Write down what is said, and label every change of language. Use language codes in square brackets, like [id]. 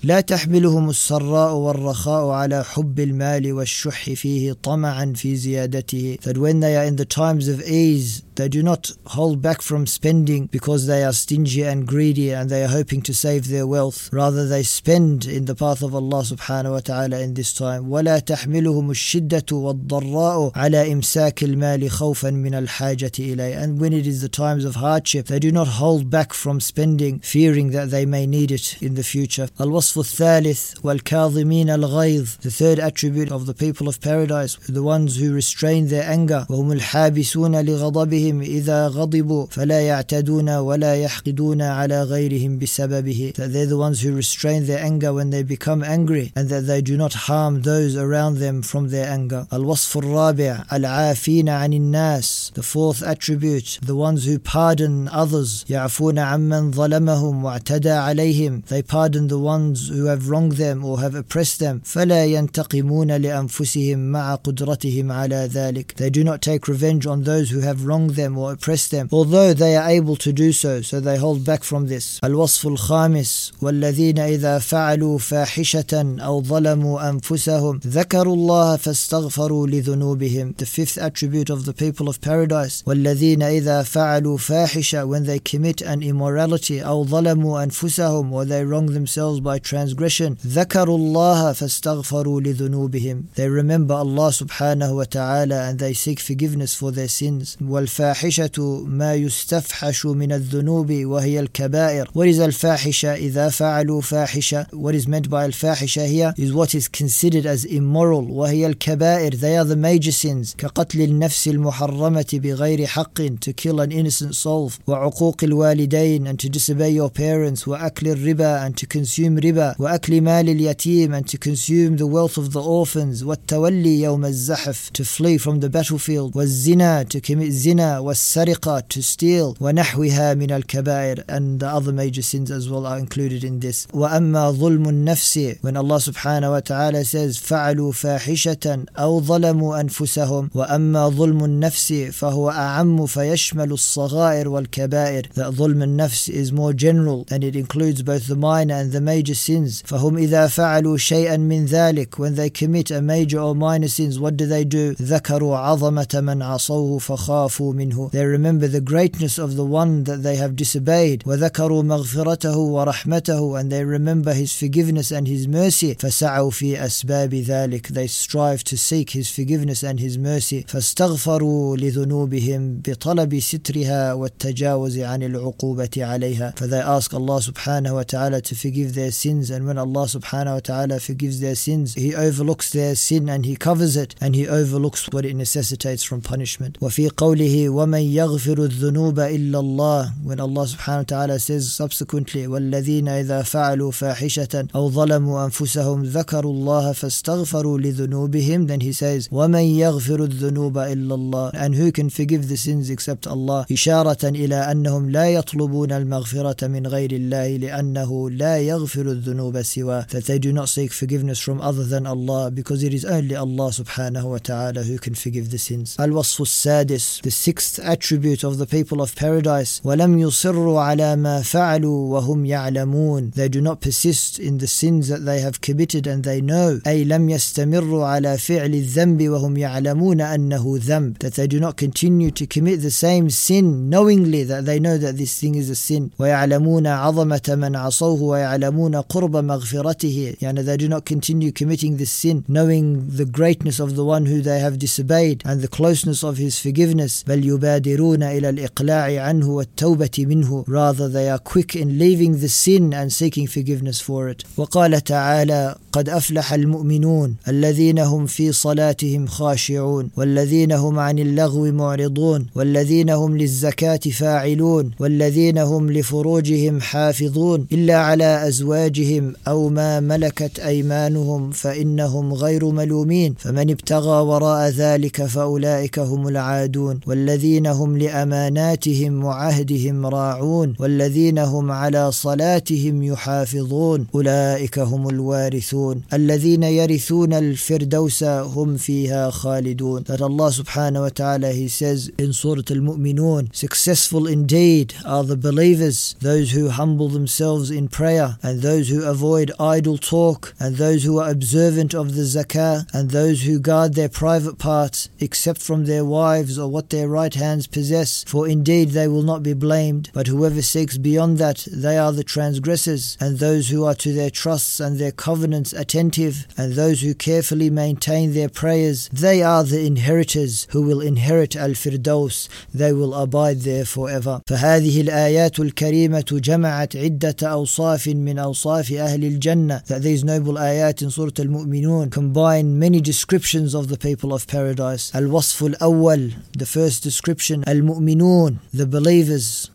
[ar] لَا تَحْمِلُهُمُ السَّرَّاءُ وَالرَّخَاءُ عَلَى حُبِّ الْمَالِ وَالشُّحِّ فِيهِ طَمَعًا فِي زِيَادَتِهِ, [en] that when they are in the times of ease, they do not hold back from spending because they are stingy and greedy and they are hoping to save their wealth. Rather, they spend in the path of Allah subhanahu wa ta'ala in this time. [ar] وَلَا تَحْمِلُهُمُ الشِّدَّةُ وَالضَّرَّاءُ عَلَىٰ إِمْسَاكِ الْمَالِ خَوْفًا مِنَ الْحَاجَةِ إِلَيْهِ. [en] And when it is the times of hardship, they do not hold back from spending, fearing that they may need it in the future. [ar] الوصف الثالث والكاظمين الغيظ. [en] The third attribute of the people of paradise, the ones who restrain their anger. [ar] وَهُمُ الْحَابِسُونَ لِغَضَبِهِمْ إِذَا غَضِبُوا فَلَا يَعْتَدُونَ وَلَا يَحْقِدُونَ عَلَىٰ غَيْرِهِمْ بِسَبَبِهِ. [en] That they're the ones who restrain their anger when they become angry, and that they do not harm those around them from their anger. [ar] الوصف الرابع العافين عن الناس. [en] The fourth attribute, the ones who pardon others. [ar] يعفون عمن ظلمهم واعتدى عليهم. [en] They pardon the ones who have wronged them or have oppressed them. [ar] فلا ينتقمون لأنفسهم مع قدرتهم على ذلك. [en] They do not take revenge on those who have wronged them or oppressed them, although they are able to do so, so they hold back from this. [ar] الوصف الخامس والذين إذا فعلوا فاحشة أو ظلموا أنفسهم ذكروا الله فاستغفروا لذنوبهم. [en] The fifth attribute of the people of paradise. [ar] والذين إذا فعلوا فاحشة, [en] when they commit an immorality, [ar] أو ظلموا أنفسهم, [en] or they wrong themselves by transgression, [ar] ذكروا الله فاستغفروا لذنوبهم. [en] They remember Allah subhanahu wa ta'ala and they seek forgiveness for their sins. [ar] والفاحشة ما يستفحش من الذنوب وهي الكبائر. [en] What is [ar] الفاحشة إذا فعلوا فاحشة? [en] What is meant by الفاحشة here is what is considered as immoral. [ar] وهي الكبائر, [en] they are the major sins. [ar] كقتل النفس المحرمة بغير حق, [en] to kill an innocent soul. [ar] وعقوق الوالدين, [en] and to disobey your parents. [ar] وأكل الربا, [en] and to consume riba. [ar] وأكل مال اليتيم, [en] and to consume the wealth of the orphans. [ar] والتولي يوم الزحف, [en] to flee from the battlefield. [ar] والزنا, [en] to commit zina. [ar] والسرقة, [en] to steal. [ar] ونحوها من الكبائر, [en] and the other major sins as well are included in this. [ar] وأما ظلم النفس, [en] when Allah subhanahu wa ta'ala says [ar] فعلوا فاحشة أو ظلموا أنفسهم. وأما ظلم النفس فهو أعم فيشمل الصغائر والكبائر. [en] That [ar] ظلم النفس [en] is more general and it includes both the minor and the major sins. [ar] فهم إذا فعلوا شيئا من ذلك, [en] when they commit a major or minor sins, what do they do? [ar] ذكروا عظمة من عصوه فخافوا منه. [en] They remember the greatness of the one that they have disobeyed. [ar] وذكروا مغفرته ورحمته, [en] and they remember his forgiveness and his mercy. [ar] فسعوا في أسباب ذلك, [en] they strive to seek his forgiveness and his mercy. [ar] فاستغفروا لذنوبهم بطلب سترها والتجاوز عن العقوبة عليها. [en] For they ask Allah subhanahu wa ta'ala to forgive their sins, and when Allah subhanahu wa ta'ala forgives their sins, he overlooks their sin and he covers it, and he overlooks what it necessitates from punishment. [ar] وفي قوله ومن يغفر الذنوب إلا الله, [en] when Allah subhanahu wa ta'ala says subsequently [ar] والذين إذا فعلوا فاحشة أو ظلموا أنفسهم ذكروا الله فاستغفروا لذنوبهم, [en] then he says [ar] ومن يغفر الذنوب إلا الله, [en] and who can forgive the sins except Allah. [ar] إشارة إلى أنهم لا يطلبون المغفرة من غير الله لأنه لا يغفر الذنوب سوى. [en] That they do not seek forgiveness from other than Allah, because it is only Allah subhanahu wa ta'ala who can forgive the sins. [ar] الوصف السادس, [en] the sixth attribute of the people of paradise. [ar] ولم يصروا على ما فعلوا وهم يعلمون. [en] They do not persist in the sins that they have committed and they know. [ar] أي لم يستمروا على فعل الذنب وهم يعلمون أنه ذنب. [en] That they do not continue to commit the same sin knowingly, that they know that this thing is a sin. [ar] ويعلمون عظمة من عصوه ويعلمون قرب مغفرته. [en] يعني they do not continue committing this sin knowing the greatness of the one who they have disobeyed and the closeness of his forgiveness. [ar] بل يبادرون إلى الإقلاع عنه والتوبة منه. [en] Rather they are quick in leaving the sin and seeking forgiveness for it. [ar] وقال تعالى قد أفلح المؤمنون الذين هم في صلاتهم خاشعون والذين هم عن اللغو معرضون والذين هم للزكاة فاعلون والذين هم لفروجهم حافظون إلا على أزواجهم أو ما ملكت أيمانهم فإنهم غير ملومين فمن ابتغى وراء ذلك فأولئك هم العادون والذين هم لأماناتهم وعهدهم راعون والذين هم على صلاتهم يحافظون أولئك هم الوارثون الذين يرثون الفردوس هم فيها خالدون. [en] That Allah subhanahu wa ta'ala, he says in Surat al-Mu'minun, successful indeed are the believers, those who humble themselves in prayer, and those who avoid idle talk, and those who are observant of the zakah, and those who guard their private parts, except from their wives or what their right hands possess, for indeed they will not be blamed. But whoever seeks beyond that, they are the transgressors, and those who are to their trusts and and their covenants attentive, and those who carefully maintain their prayers, they are the inheritors who will inherit al-Firdaus. They will abide there forever. [ar] فهذه الآيات الكريمة جمعت عدة أوصاف من أوصاف أهل الجنة. [en] That these noble ayat in Surah Al-Mu'minun combine many descriptions of the people of paradise. [ar] الوصف الأول, [en] the first description, [ar] المؤمنون, [en] the believers.